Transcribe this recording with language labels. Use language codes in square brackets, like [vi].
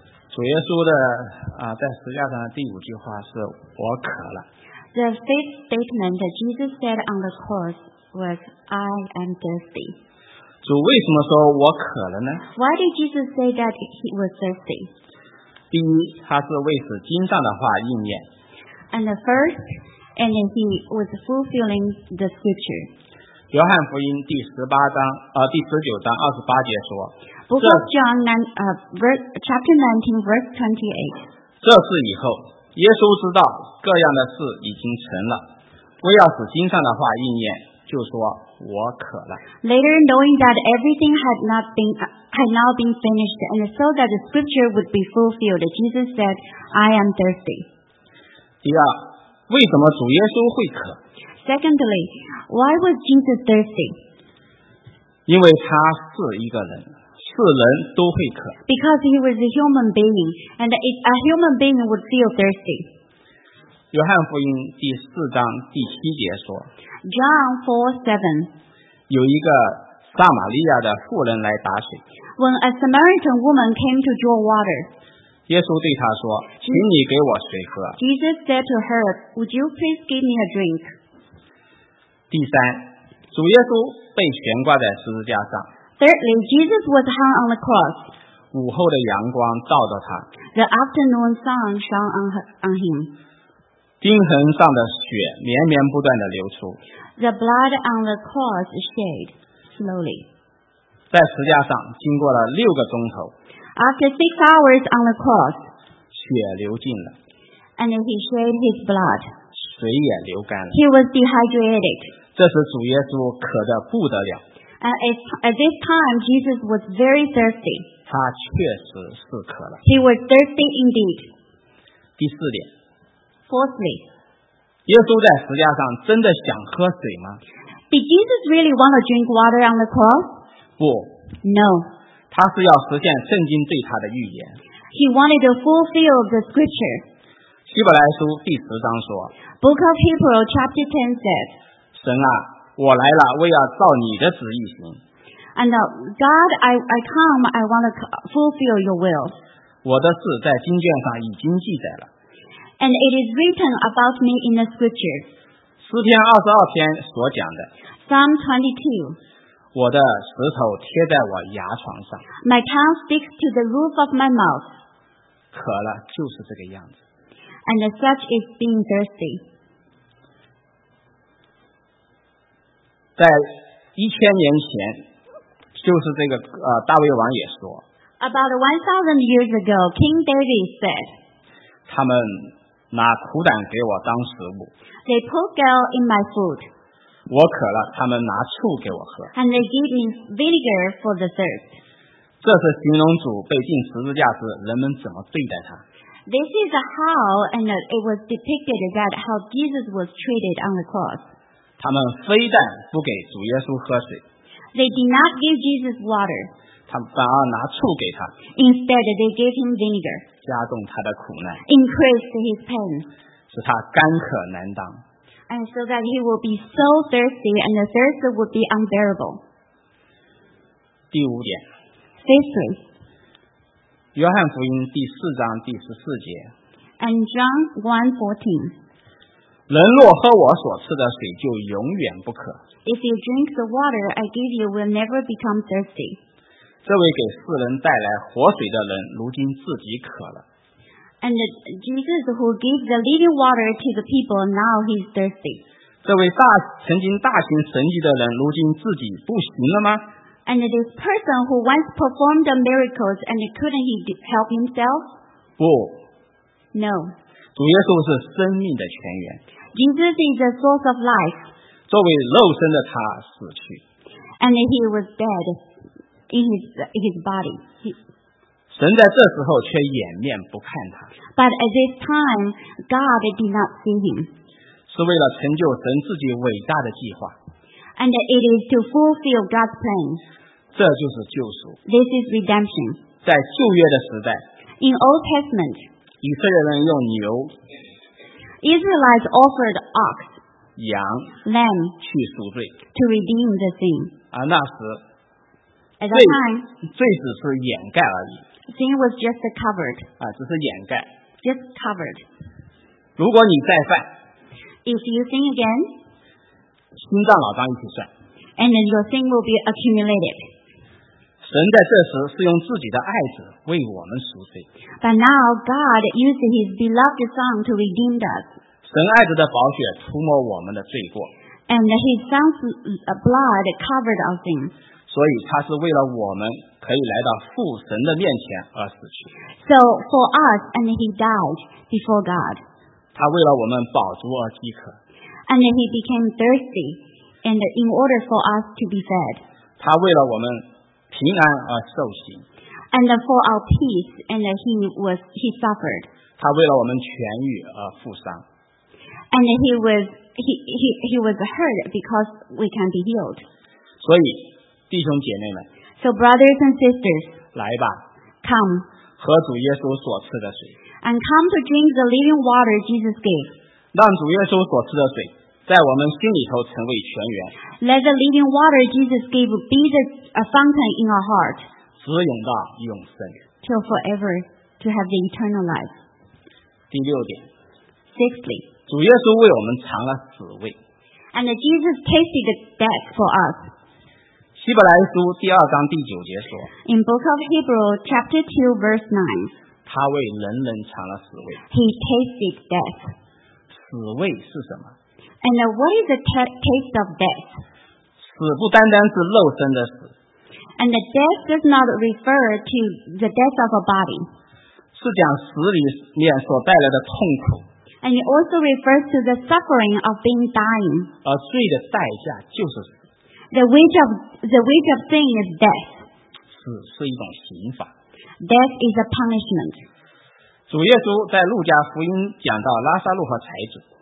[zh] 主耶稣的在十架上的第五句话是“我渴了”。 [en] The fifth statement that Jesus said on the cross. Was I am thirsty. [zh] 主为什么说我渴了呢? [en] Why did Jesus say that he was thirsty? [zh] 第一，他是为此经上的话应验。 [en] And the first, and he was fulfilling the scripture. [zh] 约翰福音第十八章，第十九章二十八节说。 [en] Book of John, chapter 19, verse 28. [zh] 这事以后，耶稣知道各样的事已经成了，为要使经上的话应验，就说我渴了。 [en] Later, knowing that everything had now been finished, and so that the scripture would be fulfilled, Jesus said, "I am thirsty." [zh] 第二，为什么主耶稣会渴 [en] ？Secondly, why was Jesus thirsty? [zh] 因为他是一个人，是人都会渴。 [en] Because he was a human being, and if a human being would feel thirsty. [zh] 约翰福音第四章第七节说。 [en] John 4:7. [zh] 有一个撒玛利亚的妇人来打水。 [en] When a Samaritan woman came to draw water, [zh] 耶稣对她说，请你给我水喝。 [en] Jesus said to her, "Would you please give me a drink?" [zh] 第三，主耶稣被悬挂在十字架上。 [en] Thirdly, Jesus was hung on the cross. [zh] 午后的阳光照着他。 [en] The afternoon sun shone on him. [zh] 钉痕上的血绵绵不断的流出。 [en] The blood on the cross shed slowly. [zh] 在十架上经过了六个钟头。 [en] After 6 hours on the cross, [zh] 血流尽了。 [en] And he shed his blood. [zh] 水也流干了。 [en] He was dehydrated. [zh] 这时主耶稣渴得不得了。 [en] And at this time, Jesus was very thirsty. [zh] 他确实是渴了。 [en] He was thirsty indeed. [zh] 第四点。 [en] Fourthly, [zh] 耶稣在十架上真的想喝水吗？ [en] Did Jesus really want to drink water on the cross? [zh] 不。 [en] No. [zh] 他是要实现圣经对他的预言。 [en] He wanted to fulfill the scripture. [zh] 希伯来书第十章说。 [en] Book of Hebrews chapter 10 says. [zh] 神啊，我来了，为要照你的旨意行。 [en] And God, I come, I want to fulfill your will. [zh] 我的事在经卷上已经记载了。 [en] And it is written about me in the scripture. [zh] 诗篇二十二篇所讲的。 [en] Psalm 22. [zh] 我的舌头贴在我牙床上。 [en] My tongue sticks to the roof of my mouth. [zh] 渴了就是这个样子。 [en] And such is being thirsty. [zh] 在一千年前，就是这个大卫王也说。 [en] About 1,000 years ago, King David said. [zh] 他们。拿苦胆给我当食物。 [en] They put gall in my food. [zh] 我渴了，他们拿醋给我喝。 [en] And they gave me vinegar for the thirst. [zh] 这是形容主被钉十字架时，人们怎么对待他。 [en] This is how and it was depicted that how Jesus was treated on the cross. [zh] 他们非但不给主耶稣喝水。 [en] They did not give Jesus water. [zh] 他们反而拿醋给他。 [en] Instead, they gave him vinegar. [zh] 加重他的苦难 [en] increased his pain, [zh] 使他干渴难当 [en] and so that he will be so thirsty and the thirst would be unbearable. [zh] 第五点 [en] Fifthly, [zh] 约翰福音第四章第十四节 [en] and John 1:14, [zh] 人若喝我所赐的水就永远不渴 [en] If you drink the water I give you will never become thirsty. [zh] 这位给世人带来活水的人，如今自己渴了。 [en] And Jesus who gave the living water to the people, now he's thirsty. [zh] 这位曾经大行神迹的人，如今自己不行了吗 [en] ？And this person who once performed the miracles and couldn't he help himself? [zh] 不。 [en] No. [zh] 主耶稣是生命的泉源。 [en] Jesus is the source of life. [zh] 作为肉身的他死去。 [en] And he was dead. In his body. [zh] 神在这时候却掩面不看他。 [en] But at this time, God did not see him. [zh] 是为了成就神自己伟大的计划。 [en] And it is to fulfill God's plan. [zh] 这就是救赎。 [en] This is redemption. [zh] 在旧约的时代。 [en] In Old Testament. [zh] 以色列人用牛。 [en] Israelites offered ox. [zh] 羊。 [en] Lamb. [zh] 去赎罪。 [en] To redeem the sin. [zh] 而那时。 [en] At that time, [zh] 罪只是掩盖而已。 [en] Sin was just covered. [zh] 啊，只是掩盖。 [en] Just covered. [zh] 如果你再犯 [en] ，If you sin again, [zh] 心脏老张一起算。 [en] And then your sin will be accumulated. [zh] 神在这时是用自己的爱子为我们赎罪。 [en] But now God using His beloved Son to redeem us. [zh] 神爱子的宝血涂抹我们的罪过。 [en] And His Son's blood covered our sins. [zh] 所以他是为了我们可以来到父神的面前而死去。 [en] So for us, and He died before God. [zh] 他为了我们饱足而饥渴。 [en] And He became thirsty, and in order for us to be fed. [zh] 他为了我们平安而受刑。 [en] And for our peace, and he suffered. [zh] 他为了我们痊愈而负伤。 [en] And he was hurt because we can be healed. [zh] 所以弟兄姐妹们， [en] So brothers and sisters, [zh] 来吧， [en] come, [zh] 喝主耶稣所赐的水。 [en] And come to drink the living water Jesus gave. [zh] 让主耶稣所赐的水在我们心里头成为泉源。 [en] Let the living water Jesus gave be a fountain in our heart. [zh] 滋养到永生。 [en] Till forever to have the eternal life. [zh] 第六点。 [en] Sixthly, [zh] 主耶稣为我们尝了死味。 [en] And Jesus tasted death for us. [zh] 希伯来书第二章第九节说。 [en] In Book of Hebrews chapter 2 verse 9. [zh] 他为人人尝了死味。 [en] He tasted death. [zh] 死味是什么？ [en] And what is the taste of death? [zh] 死不单单是肉身的死。 [en] And the death does not refer to the death of a body. [zh] 是讲死里面所带来的痛苦。 [en] And it also refers to the suffering of being dying. [zh] 而罪的代价就是死。 [en] The wage of sin is death. [zh] 死是一种刑罚。 [en] Death is a punishment. [zh] 主耶稣在路加福音讲到拉撒路和财主。